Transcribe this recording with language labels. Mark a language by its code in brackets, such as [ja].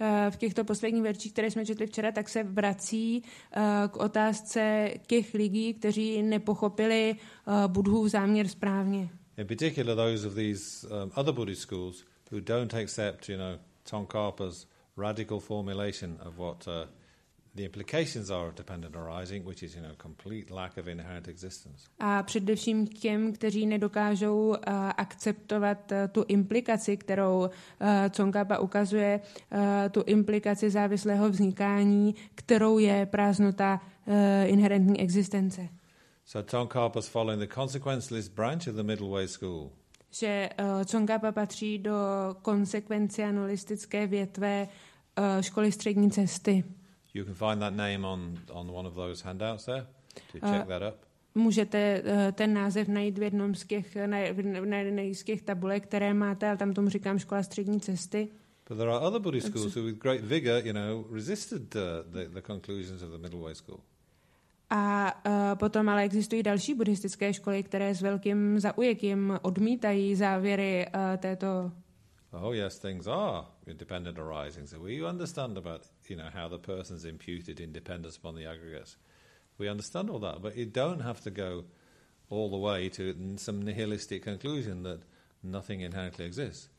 [cs] V těchto posledních verších, které jsme četli včera, tak se vrací k otázce těch lidí, kteří nepochopili Buddhův záměr správně. [en] In particular, those of these other Buddhist schools who don't accept, you know, Tsongkhapa's radical formulation of what the implications are of dependent arising, which is, you know, complete lack of inherent existence. [cs] A především těm, kteří nedokážou akceptovat tu implikaci, kterou Tsongkhapa ukazuje, tu implikaci závislého vznikání, kterou je prázdnota inherentní existence. [en] So Tsongkhapa is following the consequentialist branch of the Middle Way school. [cs] Že Tsongkhapa patří do konsekvencialistické větve školy střední cesty. [en] You can find that name on one of those handouts there to check that up. [cs] Můžete ten název najít v jednom z těch na tabulek, které máte, ale tam tomu říkám škola střední cesty. [en] But there are other Buddhist schools who with great vigor, you know, resisted the conclusions of the Middle Way school. [cs] A potom ale existují další buddhistické školy, které s velkým zaujetím odmítají závěry této. [en] Oh yes, things are independent arising. So we understand about, you know, how the person's imputed independence upon the aggregates. We understand all that, but you don't have to go all the way to some nihilistic conclusion that nothing inherently exists.